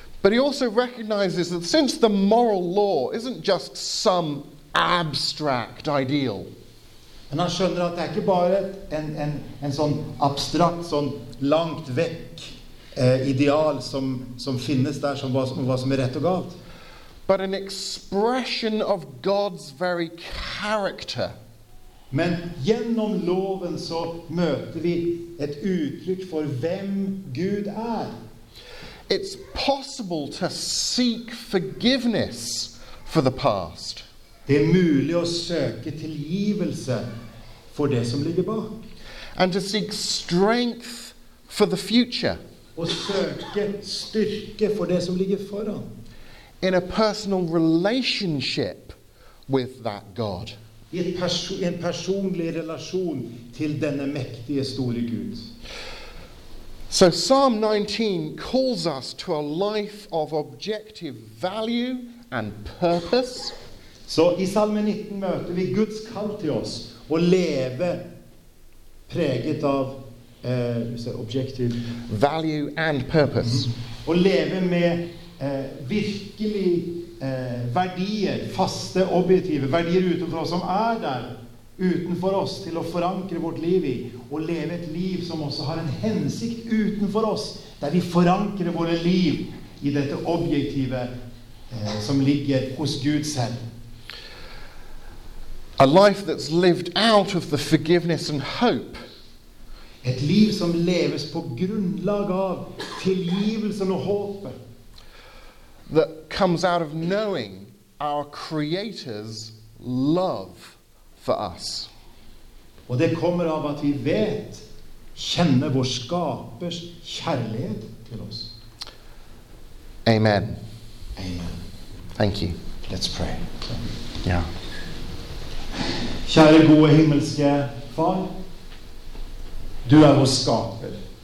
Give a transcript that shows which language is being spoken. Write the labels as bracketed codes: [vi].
[en] But he also recognizes that since the moral law isn't just some abstract ideal. [no] Men han skjønner at det ikke bare en sånn abstrakt, sånn langt vekk ideal som finnes der, som er rett og galt. [en] But an expression of God's very character. [no] Men gjennom loven så møter vi et uttrykk for hvem Gud er. [en] It's possible to seek forgiveness for the past. [no] Det er mulig å søke tilgivelse for det som ligger bak. [en] And to seek strength for the future. [no] Å søke styrke for det som ligger foran. [en] In a personal relationship with that God. [no] I en personlig relasjon til denne mektige store Gud. [en] So Psalm 19 calls us to a life of objective value and purpose. [no] Så i Salme 19 møter vi Guds kall til oss å leve preget av [en] objective value and purpose. [no] Å leve med virkelig verdier, faste, objektive verdier utenfor oss, som er der utenfor oss til å forankre vårt liv i, og leve et liv som også har en hensikt utenfor oss, der vi forankrer våre liv i dette objektive som ligger hos Gud selv. [en] A life that's lived out of the forgiveness and hope [no] Et liv som leves på grunnlag av tilgivelsen og håpet. [en] That comes out of knowing our Creator's love for us. [no] Og det kommer av at vi vet, kjenner vår skapers kjærlighet til oss. Amen. Amen. [en] Thank you. Let's pray. Yeah. [no] Kjære gode himmelske far, du vår skaper.